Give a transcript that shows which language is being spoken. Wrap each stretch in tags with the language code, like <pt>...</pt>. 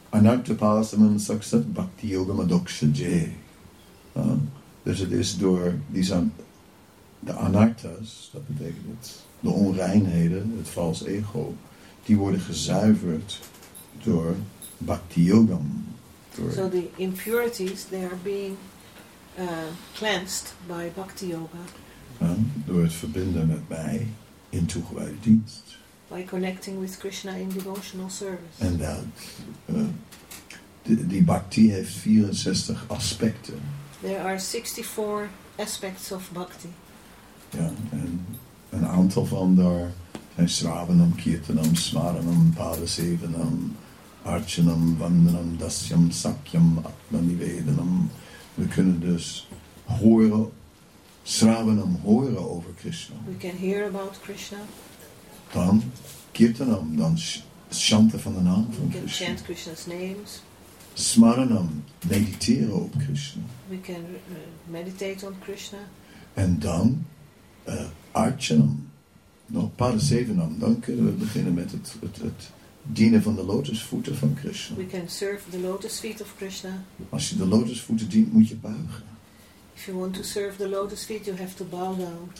<sa>Anarta Pasaman Saksat Bhakti Yoga Madoksha Jay.</sa> <nl>Dus het is door die zijn. De anarthas, dat betekent het, de onreinheden, het vals ego, die worden gezuiverd door bhakti yogam.</nl> <en>So the impurities, they are being cleansed by bhakti yoga.</en> <nl>Door het verbinden met mij in toegewijde dienst.</nl> <en>By connecting with Krishna in devotional service.</en> <nl>En dat, die bhakti heeft 64 aspecten.</nl> <en>There are 64 aspects of bhakti.</en> <nl>Ja, en een aantal van daar zijn Sravanam, Kirtanam, Smaranam, Padasevanam, Archanam, Vandanam, Dasyam, Sakyam, Atmanivedanam. We kunnen dus horen, Sravanam horen over Krishna.</nl> <en>We can hear about Krishna.</en> <nl>Dan Kirtanam, dan chanten van de naam van</nl> <en>Krishna. We can chant Krishna's names.</en> <nl>Smaranam, mediteren op Krishna.</nl> <en>We can meditate on Krishna.</en> <nl>En dan Archanam, nog Parasevanam, dan kunnen we beginnen met het dienen van de lotusvoeten van Krishna.</nl> <en>We can serve the lotus feet of Krishna.</en> <nl>Als je de lotusvoeten dient, moet je buigen.</nl> <en>If you want to serve the lotus feet, you have to bow down.</en>